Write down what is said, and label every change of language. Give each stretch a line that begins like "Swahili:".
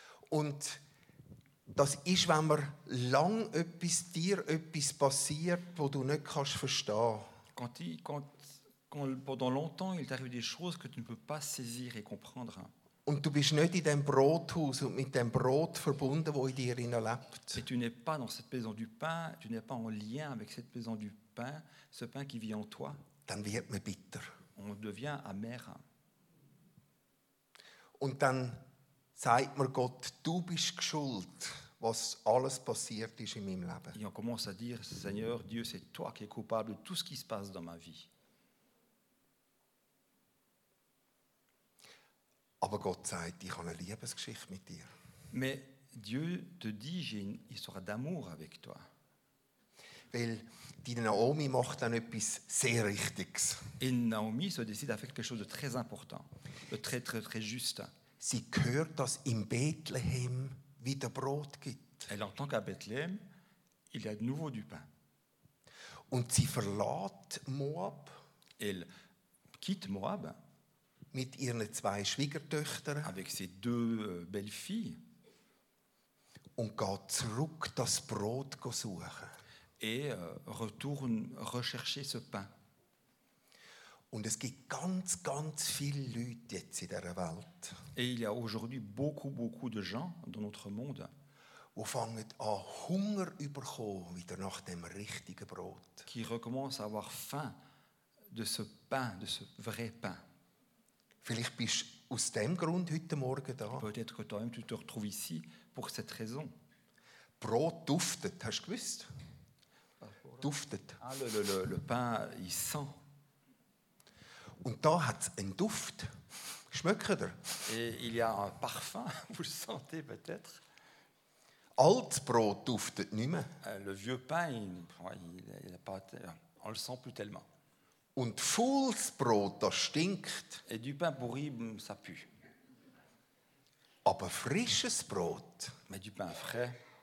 German: Und das ist, wenn man lang etwas dir etwas passiert, wo du nicht kannst verstehen.
French: Quand pendant longtemps il t'arrive des choses que tu ne peux pas saisir et comprendre.
German: Und du bist nicht in dem Brothaus und mit dem Brot verbunden, wo in dir lebt.
French: Et tu n'es pas dans cette maison du pain, tu n'es pas en lien avec cette maison du pain, ce pain qui vit en toi.
German: Dann wird man bitter.
French: On devient amer.
German: Und dann sagt mir Gott, du bist schuld, was alles passiert ist in meinem Leben.
French: Et on commence à dire, Seigneur Dieu, c'est toi qui es coupable de tout ce qui se passe dans ma vie.
German: Aber Gott sagt, ich habe eine Liebesgeschichte mit dir.
French: Mais Dieu te dit, j'ai une histoire d'amour avec toi.
German: Weil die Naomi macht dann etwas sehr Richtiges.
French: Et Naomi se décide à faire quelque chose de très important, de très très très juste.
German: Sie hört, dass in Bethlehem wieder Brot gibt.
French: Elle entend qu'à Bethléem, il y a de nouveau du pain.
German: Und sie verlässt Moab.
French: Elle quitte Moab.
German: Mit ihren zwei Schwiegertöchtern.
French: Avec ses deux belles-filles.
German: Und geht zurück das Brot suchen.
French: Et retourne rechercher ce pain.
German: Und es gibt ganz, ganz viele Leute jetzt in dieser Welt.
French: Et il y a aujourd'hui beaucoup, beaucoup de gens dans notre monde.
German: Die fangen an Hunger überkommen wieder nach dem richtigen Brot.
French: Qui recommencent à avoir faim de ce pain, de ce vrai pain.
German: Vielleicht bist du aus dem Grund heute Morgen da.
French: Peut-être que toi-même tu te retrouves ici pour cette raison.
German: Brot duftet, hast du gewusst? Duftet.
French: Ah, le pain, il sent.
German: Und da hat es einen Duft. Schmeckt er?
French: Et il y a un parfum, vous le sentez peut-être.
German: Altes Brot duftet nicht mehr.
French: Le vieux pain, il a pas, on le sent plus tellement.
German: Und faules Brot, das stinkt.
French: Et du pain pourri, ça pue.
German: Aber frisches Brot.
French: Mais du pain frais.